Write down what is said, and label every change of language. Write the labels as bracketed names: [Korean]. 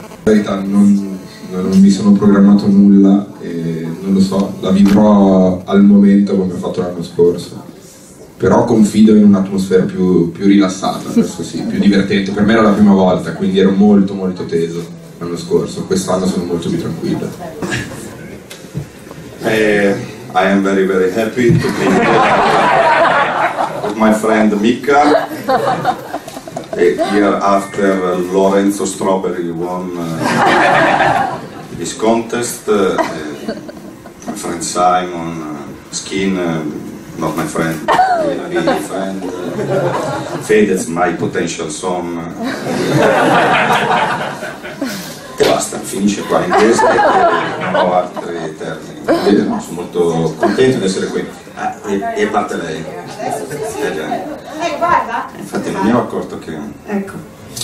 [Italian] In verità non mi sono programmato nulla, e non lo so, la vivrò al momento come ho fatto l'anno scorso. Però confido in un'atmosfera più rilassata, questo sì, più divertente. Per me era la prima volta, quindi ero molto molto teso l'anno scorso. Quest'anno sono molto più tranquillo. [English] I am very very happy to be here with my friend Mika. A year after Lorenzo Strawberry won this contest, my friend Simon Skin, not my friend, my friend Fede is my potential son. [Italian] Basta, finisce qua in testa e non ho altri termini. No, sono molto contento di essere qui. E parte lei. Guarda. Infatti non mi ero accorto che. Ecco.